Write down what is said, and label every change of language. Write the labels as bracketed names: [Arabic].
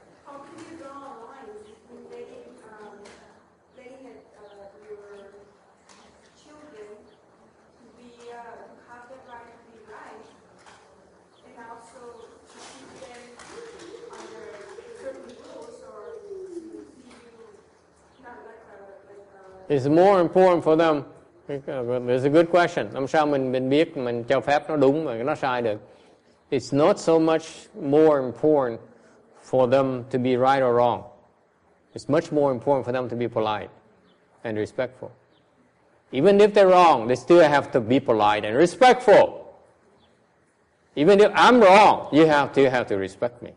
[English] How can you draw a line between letting your children to have the right to be right, and also to keep them under certain rules, or do you not It's more important for them. It's a good question. [Vietnamese] Làm sao mình biết mình cho phép nó đúng và nó sai được? [English] It's not so much more important for them to be right or wrong. It's much more important for them to be polite and respectful. Even if they're wrong, they still have to be polite and respectful. Even if I'm wrong, you have to respect me.